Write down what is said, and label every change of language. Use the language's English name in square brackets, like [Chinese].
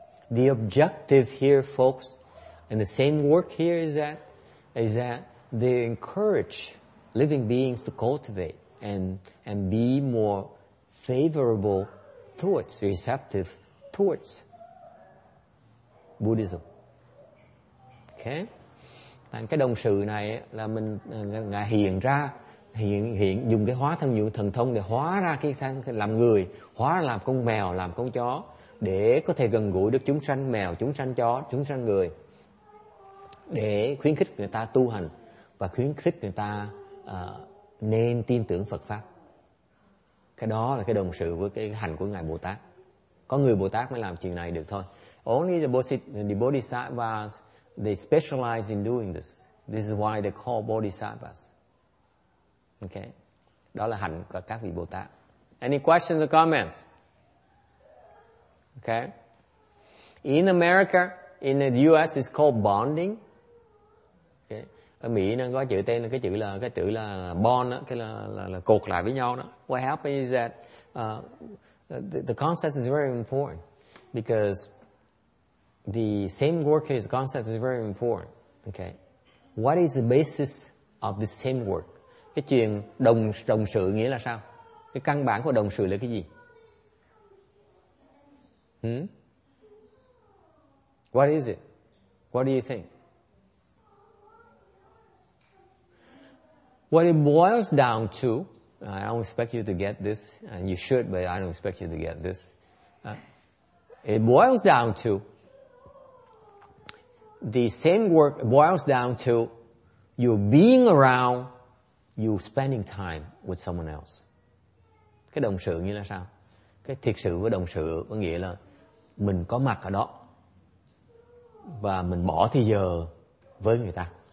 [English] The objective here, folks, and the same work here is that they encourage living beings to cultivate and be more favorable towards, receptive towards Buddhism. Okay? [Vietnamese] Thành cái đồng sự này là mình ngài hiện ra, hiện dùng cái hóa thân dụng thần thông để hóa ra cái thân làm người, hóa ra làm con mèo, làm con chó để có thể gần gũi được chúng sanh mèo, chúng sanh chó, chúng sanh người, để khuyến khích người ta tu hành và khuyến khích người ta nên tin tưởng Phật pháp. Cái đó là cái đồng sự với cái hành của ngài Bồ Tát. Có người Bồ Tát mới làm chuyện này được thôi. [English] Only the bodhisattvas, they specialize in doing this. This is why they call bodhisattvas. Okay. [Vietnamese] Đó là hành của các vị Bồ Tát. [English] Any questions or comments? Okay. In America, in the US it's called bonding. Okay. [Vietnamese] Ở Mỹ nó có chữ tên, cái chữ là bond đó, cái là cột lại với nhau đó. [English] What happened is that the concept is very important because the same work here, the concept is very important. Okay. What is the basis of the same work? [Vietnamese] Cái chuyện đồng sự nghĩa là sao? Cái căn bản của đồng sự là cái gì? [English] What is it? What do you think? What it boils down to, I don't expect you to get this, and you should, but I don't expect you to get this. It boils down to the same work, boils down to you being around, you spending time with someone else. [Vietnamese] Cái đồng sự nghĩa là sao? Cái thiệt sự của đồng sự có nghĩa là mình có mặt ở đó và mình bỏ thời giờ với người ta.